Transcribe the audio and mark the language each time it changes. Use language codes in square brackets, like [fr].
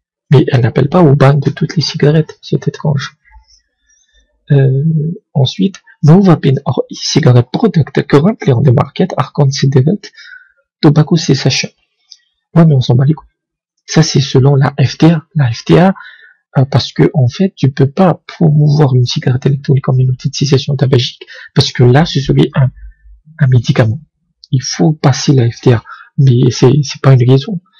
[fr] Mais elle n'appelle pas au ban de toutes les cigarettes, c'est étrange. Ensuite, [en] No Vaping or e-cigarette product currently on the market are considered tobacco cessation. [fr] Ouais, mais on s'en bat les couilles. Ça, c'est selon la FDA. La FDA, parce que, en fait, tu peux pas promouvoir une cigarette électronique comme une outil de cessation tabagique, parce que là, ce serait un médicament. Il faut passer la FDA. Mais c'est pas une raison.